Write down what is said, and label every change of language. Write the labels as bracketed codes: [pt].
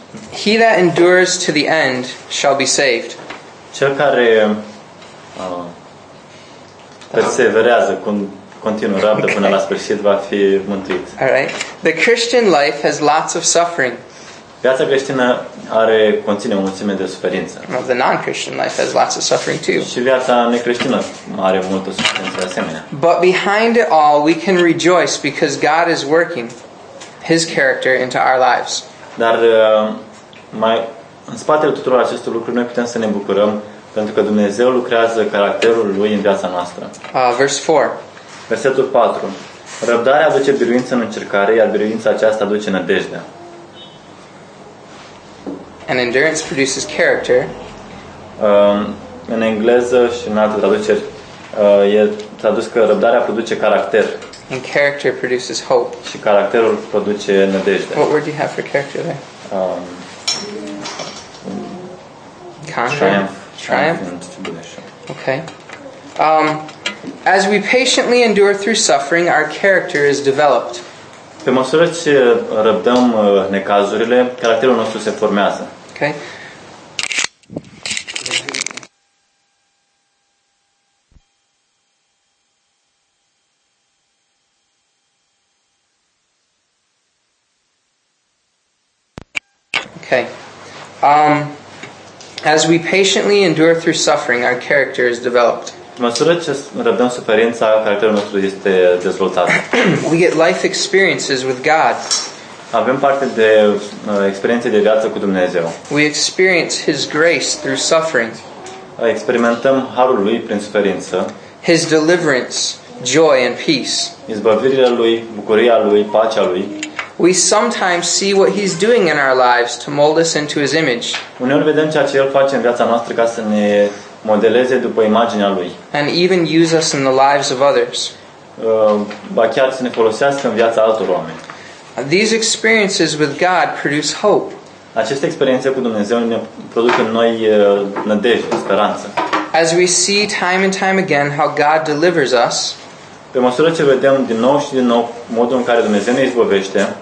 [en] He that endures to the end shall be saved. [ro] Cel care perseverează, continuă, răbdă până la sfârșit, va fi mântuit. [en] All right. The Christian life has lots of suffering. [ro] Viața creștină are conține o mulțime de suferință. [en] Well, the non-Christian life has lots of suffering too. [ro] Și viața necreștină are multă suferință asemenea. [en] But behind it all, we can rejoice because God is working His character into our lives. [ro] Dar mai în spatele tuturor acestor lucruri, noi putem să ne bucurăm pentru că Dumnezeu lucrează caracterul Lui în viața noastră. [en] Verse 4. [ro] Versetul 4. Răbdarea aduce biruință în încercare, iar biruința aceasta aduce nădejdea. [en] And endurance produces character. [ro] În engleză și în altă traducere e tradus că răbdarea produce caracter. [en] And character produces hope. [ro] Și caracterul produce nădejde. [en] What word do you have for character there? Triumph. Okay. As we patiently endure through suffering, our character is developed. [ro] Pe măsură ce răbdăm necazurile, caracterul nostru se formează. [en] Okay. Okay. As we patiently endure through suffering, our character is developed. [ro] Măsură ce răbdăm suferința, caracterul nostru este dezvoltat. [en] We get life experiences with God. [ro] Avem parte de experiențe de viață cu Dumnezeu. [en] We experience His grace through suffering. [ro] Experimentăm harul Lui prin suferință. [en] His deliverance, joy and peace. [ro] Izbăvirea Lui, bucuria Lui, pacea Lui. [en] We sometimes see what He's doing in our lives to mold us into His image. [ro] Uneori vedem ceea ce El face în viața noastră ca să ne modeleze după imaginea Lui. [en] And even use us in the lives of others. [ro] Ba chiar să ne folosească în viața altor oameni. [en] These experiences with God produce hope. [ro] Aceste experiențe cu Dumnezeu ne produc în noi nădejde, speranță. [en] As we see time and time again how God delivers us. [ro] Pe măsură ce vedem din nou și din nou modul în care Dumnezeu ne izbăvește.